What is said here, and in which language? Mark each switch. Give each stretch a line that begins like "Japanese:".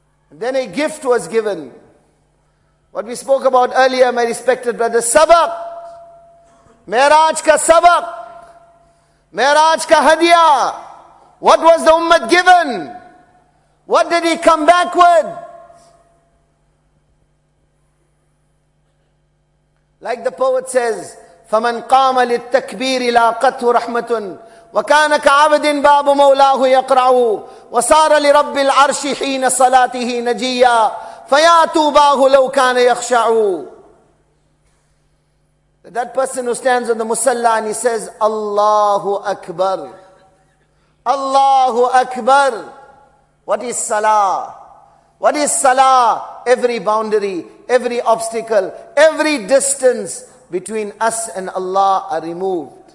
English: Then a gift was given, what we spoke about earlier, my respected brother, sabak,
Urdu: Miraj ka sabak, Miraj ka hadiya.
English: What was the ummah given? What did he come back with? Like the poet says,
Arabic: فَمَنْ قَامَ لِلْتَكْبِيرِ لَاقَتْهُ رَحْمَةٌ وَكَانَ كَعَبْدٍ بَابُ مَوْلَاهُ يَقْرَعُ وَصَارَ لِرَبِّ الْعَرْشِ حِينَ صَلَاتِهِ نَجِيًّا فَيَا تُوبَاهُ لَوْ كَانَ يَخْشَعُ.
English: That person who stands on the musalla and he says, Allahu Akbar, Allahu Akbar. What is salah? What is salah? Every boundary, every obstacle, every distance between us and Allah are removed.